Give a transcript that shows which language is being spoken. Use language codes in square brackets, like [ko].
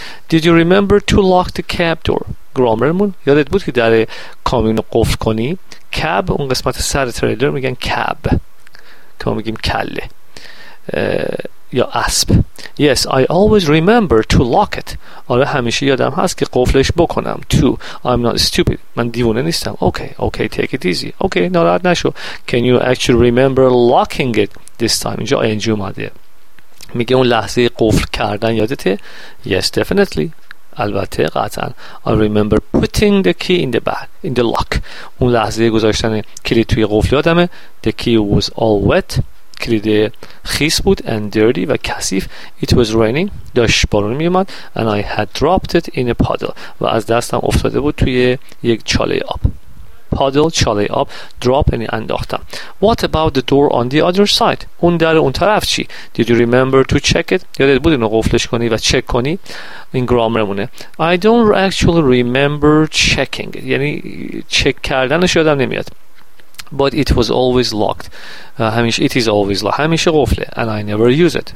[en] Did you remember to lock the cab door? [fa] گرامرمون. یادت بود که در کامیون قفل کنی؟ کب اون قسمت سر تریلر میگن کب که ما میگیم کله یا اسب. [en] Yes, I always remember to lock it. [fa] آره همیشه یادم هست که قفلش بکنم. [en] To, I'm not stupid. [fa] من دیوونه نیستم. [en] Okay, take it easy. Okay, [fa] ناراحت نشو. [en] Can you actually remember locking it this time? [fa] اینجا ING اومده. میگه اون لحظه قفل کردن یادته؟ [en] Yes, definitely. [fa] البته قطعا. [en] I remember putting the key in the bag, in the lock. [fa] اون لحظه گذاشتن کلید توی قفل یادمه. [en] The key was all wet. [fa] کلید خیس بود [en] and dirty [fa] و کثیف. [en] It was raining. [fa] داشت بارون می اومد. [en] And I had dropped it in a puddle. [fa] و از دستم افتاده بود توی یک چاله آب. Puddle, چاله آب. Drop یعنی انداختم. [en] What about the door on the other side? [fa] اون در اون طرف چی؟ [en] Did you remember to check it? [fa] یادت بود اینو قفلش کنی و چک کنی؟ این گرامرمونه. [en] I don't actually remember checking it. [fa] یعنی چک کردنش یادم نمیاد. [en] But it was always locked. همیشه it is always locked. [fa] همیشه قفله. [en] And I never use it.